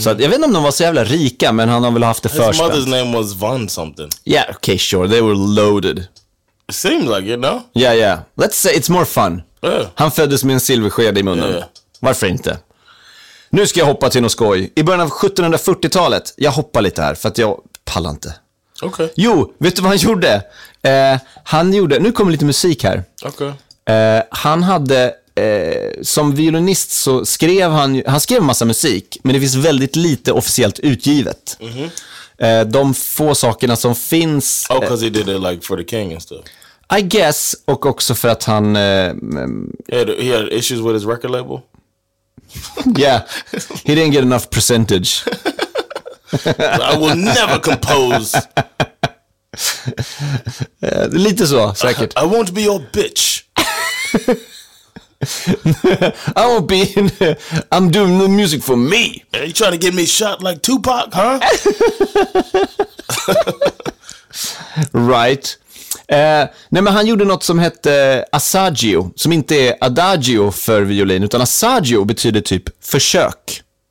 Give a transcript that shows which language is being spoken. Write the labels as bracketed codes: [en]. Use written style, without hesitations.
[sv] Så att, jag vet inte om de var så jävla rika, men han har väl haft det förspänt. [en] His mother's name was Von something. Yeah, okay, sure. They were loaded. It seems like it, no? Yeah, yeah. Let's say it's more fun. [sv] Han föddes med en silversked i munnen. Yeah. Varför inte? Nu ska jag hoppa till något skoj. I början av 1740-talet. Jag hoppar lite här för att jag pallar inte. Okej. Jo, vet du vad han gjorde? Han gjorde... Nu kommer lite musik här. Okej. Han hade... som violinist så skrev han... Han skrev en massa musik, men det finns väldigt lite officiellt utgivet. De få sakerna som finns... [en] Oh, because he did it like for the king and stuff. I guess, [sv] och också för att han... [en] He had issues with his record label? Yeah, he didn't get enough percentage. I will never compose. [sv] Lite så, säkert. [en] I won't be your bitch. I won't be in, I'm doing the music for me. Are you trying to get me shot like Tupac, huh? Right. [sv] Nej, men han gjorde något som hette Asagio, som inte är adagio för violin, utan Asagio betyder typ försök.